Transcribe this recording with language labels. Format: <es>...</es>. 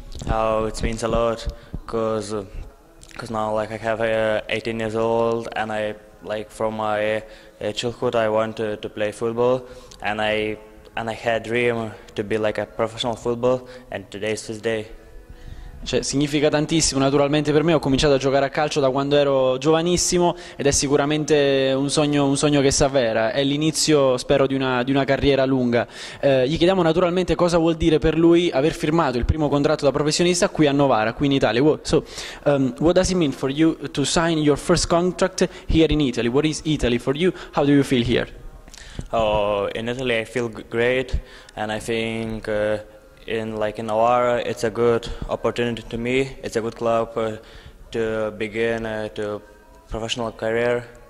<en>Oh, it means a lot, because now, like, I have 18 years old, and I, like, from my childhood I wanted to play football, and I had a dream to be like a professional football, and today's this day.</en> <it>Cioè, significa tantissimo naturalmente per me. Ho cominciato a giocare a calcio da quando ero giovanissimo ed è sicuramente un sogno che si avvera. È l'inizio, spero, di una carriera lunga. Gli chiediamo naturalmente cosa vuol dire per lui aver firmato il primo contratto da professionista qui a Novara, qui in Italia.</it> <en>What does it mean for you to sign your first contract here in Italy? What is Italy for you? How do you feel here? Oh, in Italy I feel great, and I think in Novara it's a good opportunity to me, it's a good club to begin to professional career.</en>